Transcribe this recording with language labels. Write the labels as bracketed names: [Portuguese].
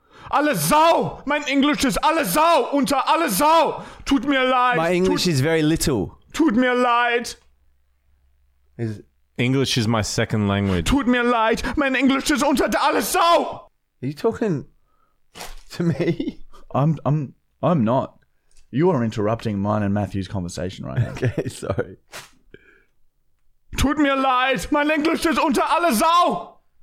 [German] Alle Sau. Mein Englisch ist alle Sau. Unter alle Sau. Tut mir leid. [English] My English is very little. [German] Tut mir leid. [English] English is my second language. [German] Tut mir leid, mein Englisch ist unter der alles Sau. [English] Are you talking to me? I'm not. You are interrupting mine and Matthew's conversation right now. Okay, sorry. [German] Tut mir leid, mein Englisch ist unter alle Sau.